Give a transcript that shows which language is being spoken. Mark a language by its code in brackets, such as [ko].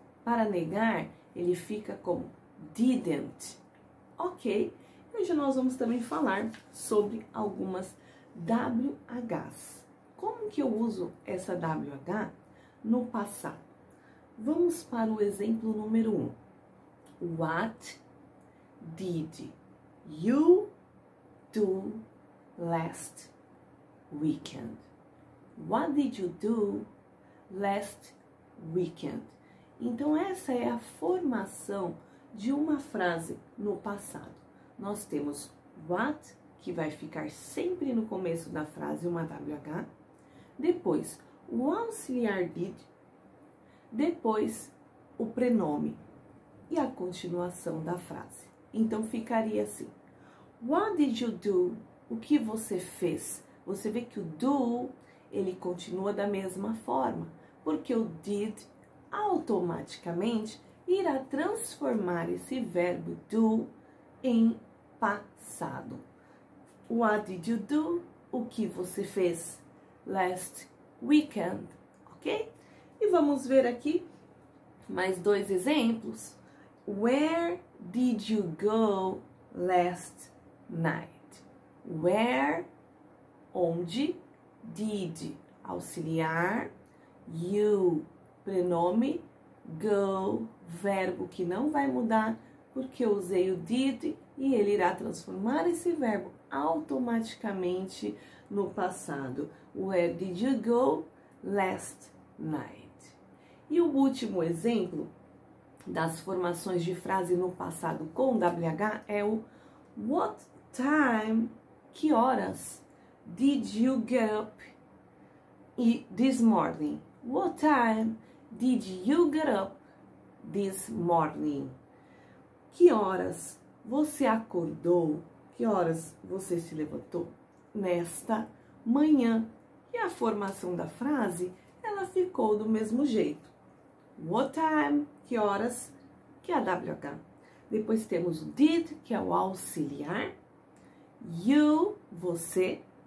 [pt] Para negar, ele fica como didn't, ok? Hoje nós vamos também falar sobre algumas WHs. Como que eu uso essa WH no passado? Vamos para o exemplo número 1. [en] What did you do last weekend? What did you do last weekend? [pt] Então, essa é a formação de uma frase no passado. Nós temos what, que vai ficar sempre no começo da frase, uma WH. Depois, o auxiliar did. Depois, o prenome e a continuação da frase. Então, ficaria assim. [en] What did you do? [pt] O que você fez? Você vê que o do, ele continua da mesma forma, porque o did automaticamente irá transformar esse verbo do em passado. [en] What did you do? [pt] O que você fez [en] last weekend? Ok? [pt] E vamos ver aqui mais dois exemplos. [en] Where did you go last night? [pt] Where, onde, did, auxiliar, you, prenome, go, verbo que não vai mudar, porque eu usei o did e ele irá transformar esse verbo automaticamente no passado. [en] Where did you go last night? [pt] E o último exemplo das formações de frase no passado com WH é o [en] what time, [pt] que horas, [en] did you get up this morning? What time did you get up this morning? [pt] Que horas você acordou? Que horas você se levantou nesta manhã? E a formação da frase, ela ficou do mesmo jeito. [en] What time, [pt] que horas, que é a WH. Depois temos o did, que é o auxiliar. You, você.